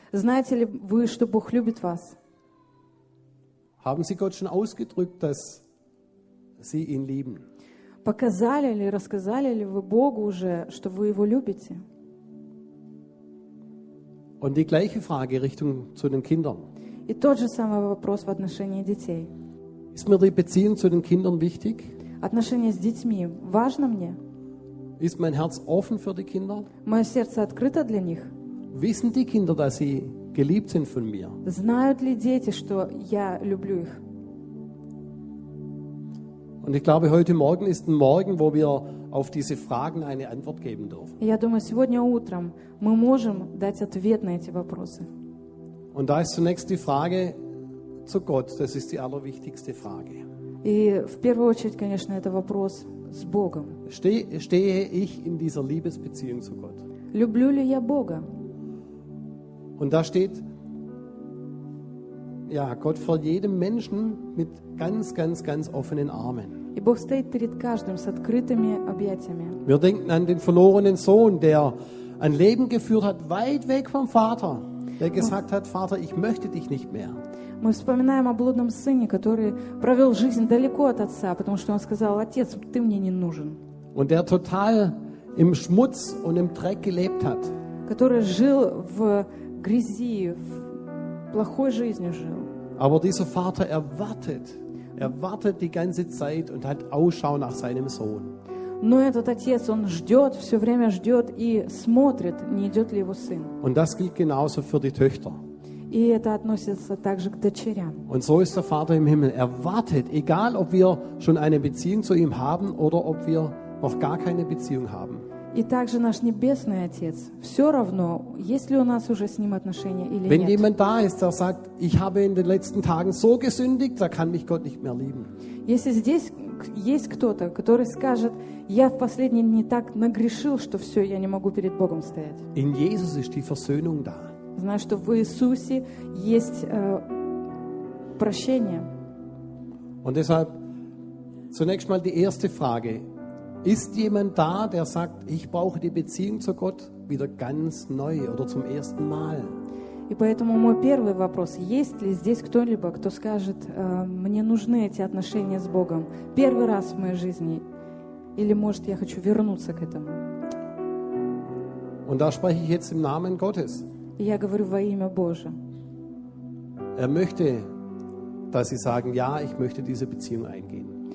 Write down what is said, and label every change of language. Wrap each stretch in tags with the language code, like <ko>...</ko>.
<ru>Знаете ли вы, что Бог любит вас?</ru> <de>Haben Sie Gott schon ausgedrückt, dass Sie ihn lieben?</de> <ru>Показали ли, рассказали ли вы Богу уже, что вы его любите?</ru> <de>Und die gleiche Frage Richtung zu den Kindern.</de> <ru>И тот же самый вопрос в отношении детей.</ru> <de>Ist mir die Beziehung zu den Kindern wichtig?</de> <ru>Отношения с детьми важно мне?</ru> <de>Ist mein Herz offen für die Kinder?</de> <ru>Мое сердце открыто для них?</ru> <de>Wissen die Kinder, dass sie geliebt sind von mir?</de> <ru>Знают ли дети, что я люблю их?</ru> <de>Und ich glaube, heute Morgen ist ein Morgen, wo wir auf diese Fragen eine Antwort geben dürfen.</de> <ru>Я думаю, сегодня утром мы можем дать ответ на эти вопросы.</ru> <de>Und da ist zunächst die Frage zu Gott. Das ist die allerwichtigste Frage.</de> <ru>И в первую очередь, конечно, это вопрос с Богом.</ru> <de>Stehe ich in dieser Liebesbeziehung zu Gott?</de> <ru>Люблю ли я Бога?</ru> <de>Und da steht, ja, Gott vor jedem Menschen mit ganz, ganz, ganz offenen Armen.</de> <ru>И Бог стоит перед каждым с открытыми объятиями.</ru> <de>Wir denken an den verlorenen Sohn, der ein Leben geführt hat, weit weg vom Vater, der gesagt hat, Vater, ich möchte dich nicht mehr.</de> <ru>Мы вспоминаем о блудном сыне, который провел жизнь далеко от отца, потому что он сказал: «Отец, ты мне не нужен».</ru> <de>Und der total im Schmutz und im Dreck gelebt hat.</de> <ru>Который жил в грязи, в плохой жизни жил.</ru> <de>Aber dieser Vater erwartet die ganze Zeit und hat Ausschau nach seinem Sohn.</de> <ru>Но этот отец, он ждет, все время ждет и смотрит, не идет ли его сын.</ru> <de>Und das gilt genauso für die Töchter.</de> <ru>И это относится также к дочерям.</ru> <de>Und so ist der Vater im Himmel. Er wartet, egal ob wir schon eine Beziehung zu ihm haben oder ob wir noch gar keine Beziehung haben.</de> <ru>И также наш небесный отец. Все равно, есть ли у нас уже с ним отношения или</ru> <de>Wenn</de> <ru>нет.</ru> <de>Wenn jemand da ist, der sagt, ich habe in den letzten Tagen so gesündigt, da kann mich Gott nicht mehr lieben.</de> <ru>Если здесь есть кто-то, который скажет, я в последние дни так нагрешил, что все, я не могу перед Богом стоять.</ru> <de>In Jesus ist die Versöhnung da.</de> <ru>Знаешь, что в Иисусе есть прощение.</ru> <de>Und deshalb zunächst mal die erste Frage. Ist jemand da, der sagt, ich brauche die Beziehung zu Gott wieder ganz neu oder zum ersten Mal?</de> <ru>И поэтому мой первый вопрос. Есть ли здесь кто-либо, кто скажет, мне нужны эти отношения с Богом первый раз в моей жизни? Или, может, я хочу вернуться к этому?</ru> <de>Und da spreche ich jetzt im Namen Gottes.</de> <ru>Я говорю во имя Божие.</ru> <de>Er möchte, dass Sie sagen, ja, ich möchte diese Beziehung eingehen.</de>